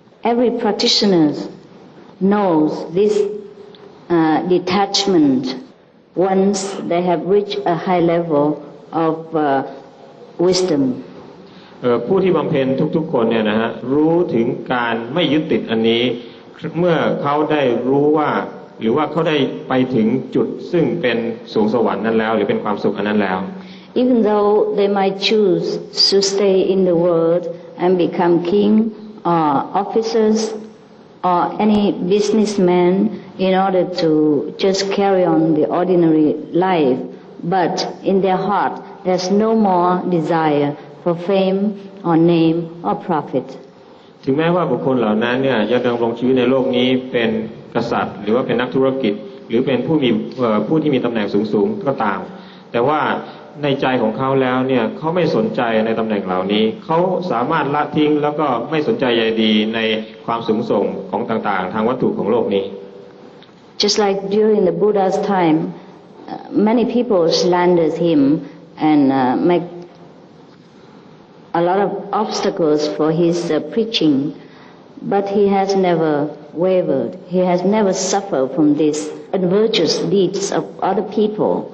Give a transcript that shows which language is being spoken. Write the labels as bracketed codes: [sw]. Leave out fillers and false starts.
[en] Every practitioner knows this detachment once they have reached a high level of wisdom [th] ผู้ที่บำเพ็ญทุกๆคนเนี่ยนะฮะรู้ถึงการไม่ยึดติดอันนี้เมื่อเขาได้รู้ว่าหรือว่าเขาได้ไปถึงจุดซึ่งเป็นสูงสวรรค์นั้นแล้วหรือเป็นความสุขอันนั้นแล้ว [en] Even though they might choose to stay in the world and become king or officers or any businessman in order to just carry on the ordinary life but in their heart there's no more desireFor fame or name or profit. [th] ถึงแม้ว่าบุคคลเหล่านั้นเนี่ยจะดำรงชีวิตในโลกนี้เป็นกษัตริย์หรือว่าเป็นนักธุรกิจหรือเป็นผู้ที่มีตำแหน่งสูงๆก็ตามแต่ว่าในใจของเขาแล้วเนี่ยเขาไม่สนใจในตำแหน่งเหล่านี้เขาสามารถละทิ้งแล้วก็ไม่สนใจใยดีในความสูงส่งของต่างๆทางวัตถุของโลกนี้ [en] Just like during the Buddha's time, many people slandered him and make a lot of obstacles for his preaching, but he has never wavered. He has never suffered from these adventurous deeds of other people.